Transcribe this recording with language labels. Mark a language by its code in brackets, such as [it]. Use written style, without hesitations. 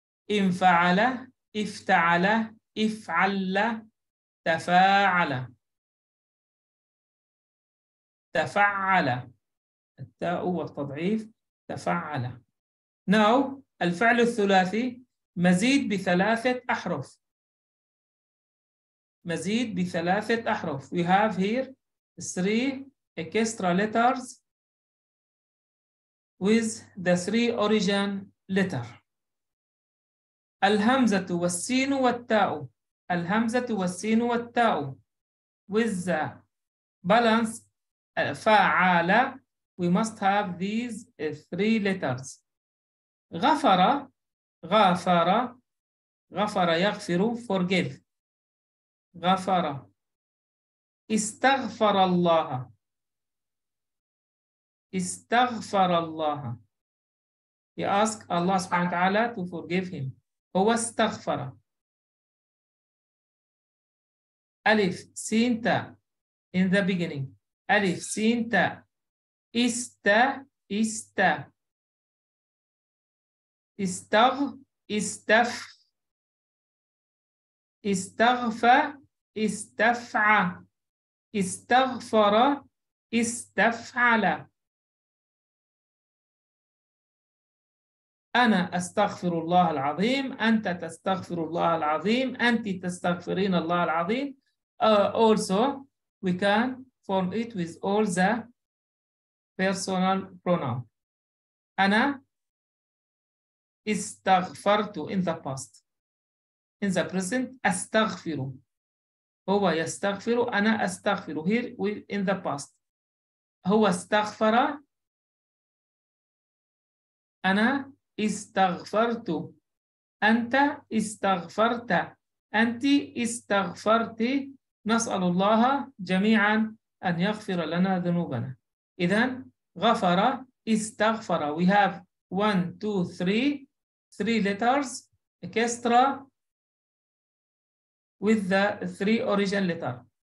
[ar] انفعل، افتعل، افعل، تفاعل، تفعل، التاء والتضعيف، تفعل. [en] Now [ar] الفعل الثلاثي مزيد بثلاثة أحرف، مزيد بثلاثة أحرف. [en] We have here three extra letters with the three origin letter. [ar] الهمزة والسين والتاء، الهمزة والسين والتاء، [en] with the balance [ar] فعالة. [en] We must have these three letters. [ar] غفر، غفر، غفر، يغفر، [en] forgive. [ar] غفر. استغفر الله، استغفر الله. [en] He asked Allah سبحانه وتعالى to forgive him. [ar] هو استغفر. ألف سين تاء [en] in the beginning. [ar] ألف سين تاء. است، است، استغ، استف، استغفى، استفعى، استغفر، استفعل. أنا أستغفر الله العظيم، أنت تستغفر الله العظيم، أنت تستغفرين الله العظيم. [en] Also we can form it with all the personal pronoun. [ar] أنا استغفرت [en] in the past. In the present [ar] أستغفر. هو يستغفر، أنا أستغفر. [en] Here we in the past. [ar] هو استغفر، أنا استغفرت، أنت استغفرت، أنت استغفرت. نسأل الله جميعا أن يغفر لنا ذنوبنا. إذن غفر، استغفر. [en] We have one, two, three letters extra with the three origin letter.